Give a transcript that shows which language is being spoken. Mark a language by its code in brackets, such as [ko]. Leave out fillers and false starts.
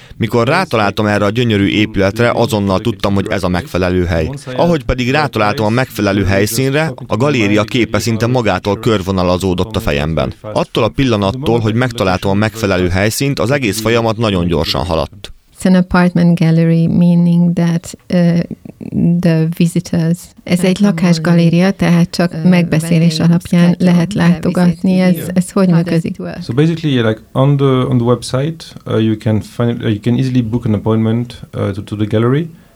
[hu] Mikor rátaláltam erre a gyönyörű épületre, azonnal tudtam, hogy ez a megfelelő hely. Ahogy pedig rátaláltam a megfelelő helyszínre, a galéria képe szinte magától körvonalazódott a fejemben. Attól a pillanattól, hogy megtaláltam a megfelelő helyszínt, az egész folyamat nagyon gyorsan haladt. [en] It's an apartment gallery, meaning that the visitors... [hu] Ez egy lakásgaléria, tehát csak megbeszélés alapján lehet látogatni. Ez hogy működik? [en] So basically, yeah, like on the website, you can easily book an appointment to the gallery.